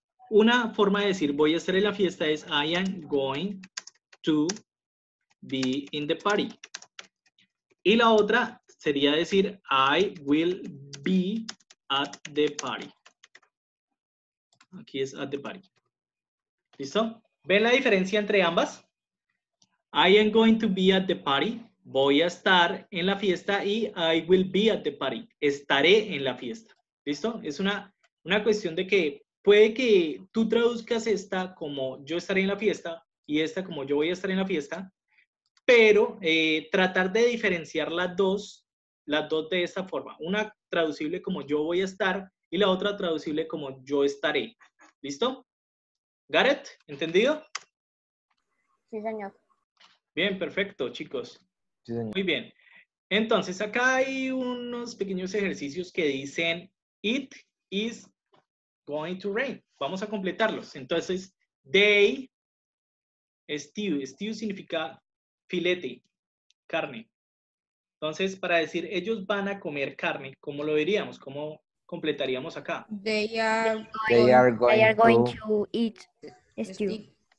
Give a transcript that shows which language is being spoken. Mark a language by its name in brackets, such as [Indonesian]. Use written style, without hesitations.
[Spanish] Una forma de decir voy a estar en la fiesta es [English] I am going to be in the party. [Spanish] Y la otra sería decir, [English] I will be at the party. [Spanish] Aquí es [English] at the party. ¿Listo? [Spanish] ¿Ven la diferencia entre ambas? [English] I am going to be at the party. [Spanish] Voy a estar en la fiesta y [English] I will be at the party. [Spanish] Estaré en la fiesta. ¿Listo? Es una cuestión de que puede que tú traduzcas esta como yo estaré en la fiesta y esta como yo voy a estar en la fiesta. Pero tratar de diferenciar las dos de esta forma. Una traducible como yo voy a estar y la otra traducible como yo estaré. ¿Listo? ¿Garrett? ¿Entendido? Sí, señor. Bien, perfecto, chicos. Sí, señor. Muy bien. Entonces, acá hay unos pequeños ejercicios que dicen [English] it is going to rain. [Spanish] Vamos a completarlos. Entonces, they, stew significa... filete, carne. Entonces, para decir ellos van a comer carne, ¿cómo lo diríamos? ¿Cómo completaríamos acá? [English] They are going to eat stew.